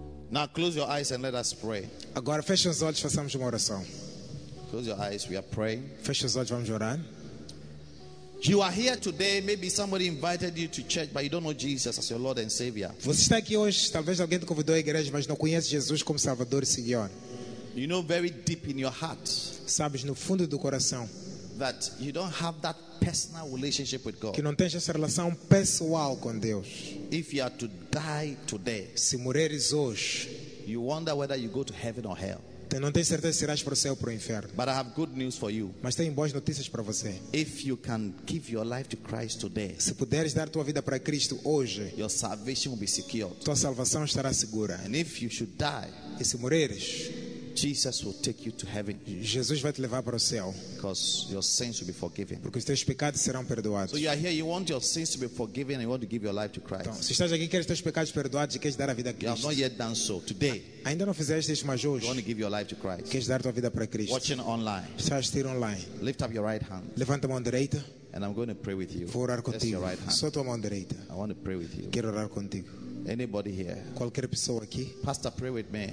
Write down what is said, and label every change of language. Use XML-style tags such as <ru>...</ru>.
<en>Now close your eyes and let us pray.</en> <pt>Agora feche os olhos e façamos uma oração.</pt> <en>Close your eyes, we are praying.</en> <pt>Feche os olhos, vamos orar.</pt> <en>You are here today, maybe somebody invited you to church, but you don't know Jesus as your Lord and Savior.</en> <pt>Você está aqui hoje, talvez alguém te convidou à igreja, mas não conhece Jesus como Salvador e Senhor.</pt> <en>You know very deep in your heart.</en> <pt>Sabes no fundo do coração.</pt> <en>That you don't have that personal relationship with God.</en> <pt>Que não tens essa relação pessoal com Deus.</pt> <en>If you are to die today.</en> <pt>Se morreres hoje,</pt> <en>you wonder whether you go to heaven or hell.</en> <pt>Não tenho certeza se irás para o céu ou para o inferno.</pt> <en>But I have good news for you.</en> <pt>Mas tenho boas notícias para você.</pt> <en>If you can give your life to Christ today,</en> <pt>se puderes dar tua vida para Cristo hoje,</pt> <en>your salvation will be secured.</en> <pt>Tua salvação estará segura.</pt> <en>And if you should die,</en> <pt>e se morreres,</pt> <en>Jesus will take you to heaven.</en> <pt>Jesus vai te levar para o céu.</pt> <en>Because your sins will be forgiven.</en> <pt>Porque os teus pecados serão perdoados.</pt> <en>So you are here, you want your sins to be forgiven and you want to give your life to Christ.</en> <pt>Então, se estás aqui, queres teus pecados perdoados e queres dar a vida a Cristo.</pt> <en>You have not yet done so. Today,</en> <pt>ainda não fizeste isso, mas hoje,</pt> <en>you want to give your life to Christ.</en> <pt>Queres dar tua vida para Cristo.</pt> <en>Watching online.</en> <pt>Estás a assistir online.</pt> <en>Lift up your right hand.</en> <pt>Levanta a mão direita.</pt> <en>And I'm going to pray with you.</en> <pt>Vou orar contigo.</pt> <en>Your right hand.</en> <pt>Só tua mão direita.</pt> <en>I want to pray with you.</en> <pt>Quero orar contigo.</pt> <en>Anybody here?</en> <pt>Qualquer pessoa aqui?</pt> <en>Pastor, pray with me.</en>